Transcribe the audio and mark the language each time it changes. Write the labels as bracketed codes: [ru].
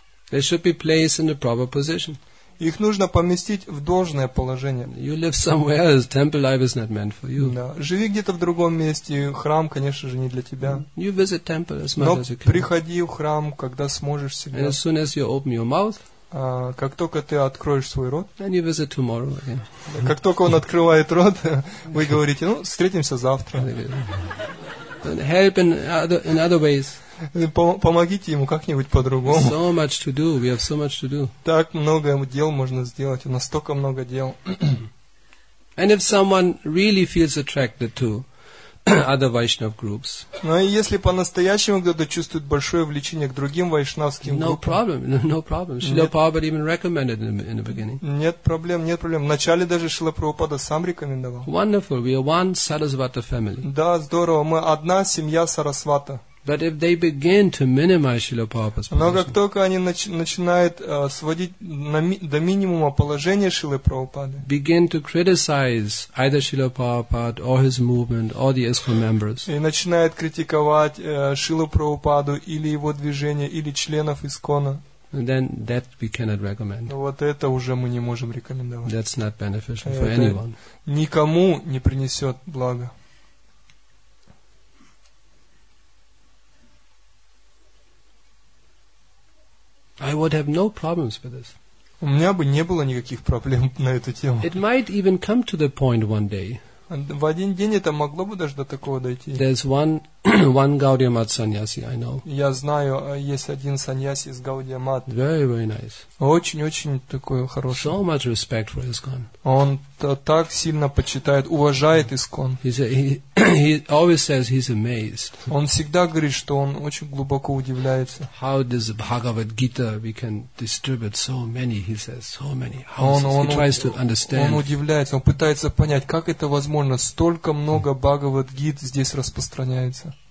[en] They should be placed in the proper position. [ru] Их нужно поместить в должное положение. [en] You live somewhere else. Temple life is not meant for you. [ru] Да. Живи где-то в другом месте. Храм, конечно же, не для тебя. [en] You visit temple as much as you can. [ru] Приходи в храм, когда сможешь себя. [en] And as soon as you open your mouth. [ru] Как только ты откроешь свой рот, [en] then you visit tomorrow again. [ru] Как только он открывает рот, вы говорите, ну, встретимся завтра. [en] Help in other ways. [ru] Помогите ему как-нибудь по-другому. [en] So much to do. We have so much to do. [ru] Так много дел можно сделать. У нас столько много дел. [en] And if someone really feels attracted to other Vaishnav groups. [ru] Но если по-настоящему кто-то чувствует большое влечение к другим вайшнавским группам. [en] No problem. Шрила Прабхупада even recommended in the beginning. [ru] Нет проблем. В начале даже Шрила Прабхупада сам рекомендовал. [en] Wonderful. We are one Сарасвата family. [ru] Да, здорово. Мы одна семья Сарасвата. [en] But if they begin to minimize Srila Prabhupada's position. [ru] Но как только они начинают сводить до минимума положение Шрилы Прабхупады. [en] Begin to criticize either Srila Prabhupada or his movement or the ISKCON members. [ru] И начинают критиковать Шрилу Прабхупаду или его движение или членов ИСКОНа. [en] And then that we cannot recommend. [ru] Вот это уже мы не можем рекомендовать. [en] That's not beneficial for anyone. [ru] Никому не принесет блага. [en] I would have no problems with this. [ru] У меня бы не было никаких проблем на эту тему. [en] It might even come to the point one day. [ru] В один день это могло бы даже до такого дойти. [en] There's one Gaudiya Math sannyasi I know. [ru] Я знаю, есть один саньяси из Gaudiya Math. [en] Very, very nice. [ru] Очень-очень такой хороший. [en] So much respect for ISKCON. [ru] Он так сильно почитает, уважает ISKCON. [en] He always says he's amazed. [ru] Он всегда говорит, что он очень глубоко удивляется. [en] How does Bhagavad Gita we can distribute so many? He says so many. He tries to understand. [ru] Он удивляется, он пытается понять, как это возможно, столько много Бхагавад Гит здесь распространяется.